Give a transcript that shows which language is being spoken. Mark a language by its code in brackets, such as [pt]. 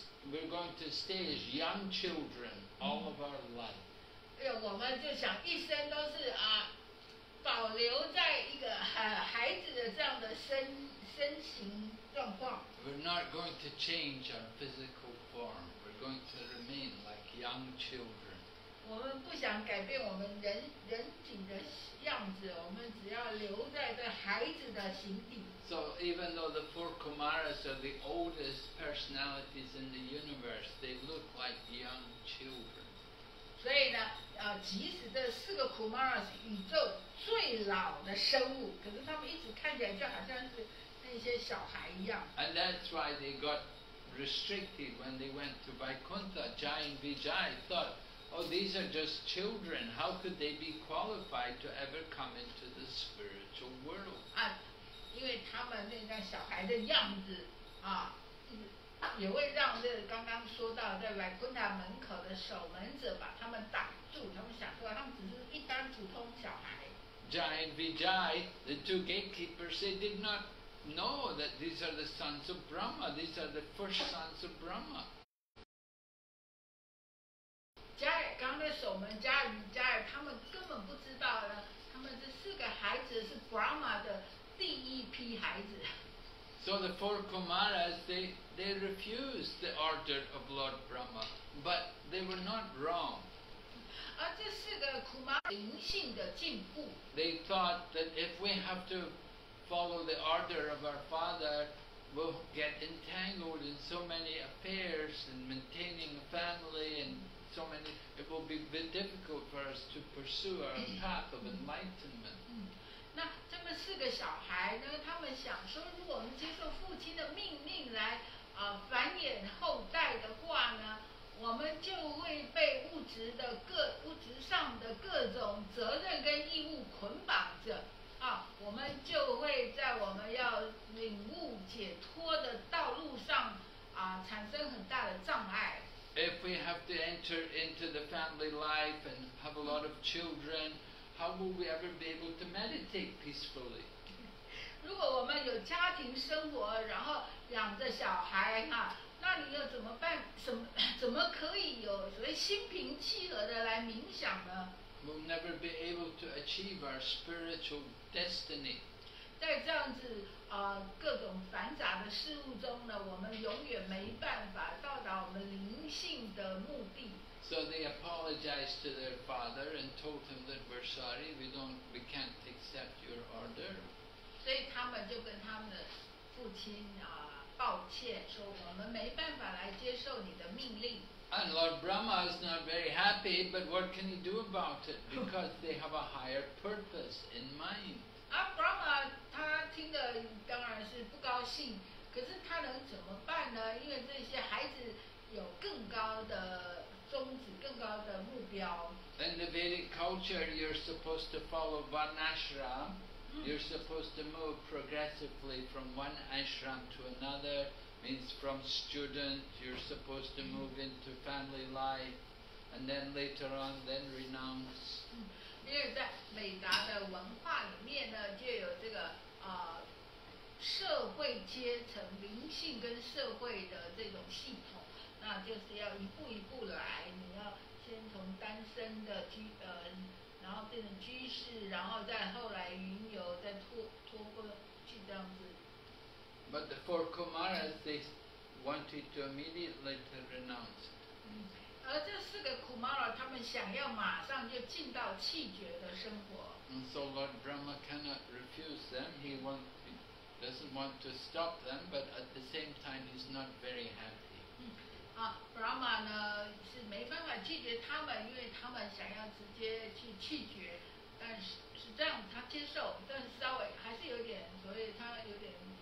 [en] We're going to stay as young children all of our life. [zh] 我们就想一生都是啊。保留在一个孩子的这样的身形状况。 [en] We're not going to change our physical form. We're going to remain like young children. [zh] 我们不想改变我们人体的样子，我们只要留在这孩子的形体。 [en] So even though the four Kumaras are the oldest personalities in the universe, they look like young children. [zh] 所以呢，即使这四个 Kumara 是宇宙最老的生物，可是他们一直看起来就好像是那些小孩一样。 [en] And that's why they got restricted when they went to Vaikuntha. Jai and Vijay thought, "Oh, these are just children. How could they be qualified to ever come into the spiritual world?" [zh] 啊，因为他们那张小孩的样子啊。也会让这刚刚说到在瓦昆达门口的守门者把他们挡住，他们想说他们只是一般普通小孩。 [en] Jai and Vijay, the two gatekeepers, they did not know that these are the sons of Brahma. These are the first sons of Brahma. [zh] 刚才守门Jai and Vijay他们根本不知道呢，他们这四个孩子是 Brahma 的第一批孩子。 [en] So the four Kumaras, they refused the order of Lord Brahma, but they were not wrong. [zh] 而这四个 Kumara 灵性的进步。 [en] They thought that if we have to follow the order of our father, we'll get entangled in so many affairs and maintaining a family and so many, it will be very difficult for us to pursue our path of enlightenment. [zh] 那这么四个小孩呢，他们想说如果我们接受父亲的命令来繁衍后代的话呢，我们就会被物质上的各种责任跟义务捆绑着啊，我们就会在我们要领悟解脱的道路上产生很大的障碍。 [en] If we have to enter into the family life and have a lot of children, how will we ever be able to meditate peacefully? [zh] 如果我们有家庭生活，然后养着小孩啊，那你又怎么办？怎么可以有所谓心平气和的来冥想呢？ [en] We'll never be able to achieve our spiritual destiny. [zh] 在这样子各种繁杂的事物中呢，我们永远没办法到达我们灵性的目的。 [en] So they apologized to their father and told him that we're sorry, we can't accept your order. [zh] 所以他们就跟他们的父亲抱歉，说我们没办法来接受你的命令。 [en] And Lord Brahma is not very happy, but what can he do about it? Because they have a higher purpose in mind. [zh] Brahma, 他听的当然是不高兴，可是他能怎么办呢？因为这些孩子有更高的宗旨，更高的目标。 [en] In the Vedic culture, you're supposed to follow Varnashram. You're supposed to move progressively from one ashram to another. Means from student, you're supposed to move into family life, and then later on, then renounce. [zh] 因为在美达的文化里面呢，就有这个社会阶层、灵性跟社会的这种系统，那就是要一步一步来。你要先从单身的然后变成居士，然后再后来云游，再脱婚去这样子。 [en] But the four Kumaras, they wanted to immediately to renounce. [zh] 而这四个 Kumara, 他们想要马上就进到弃绝的生活。 [en] And so Lord Brahma cannot refuse them. He doesn't want to stop them, but at the same time, he's not very happy. [zh] Brahma 呢是没办法拒绝他们，因为他们想要直接去弃绝，但是这样他接受，但是稍微还是有点，所以他有点。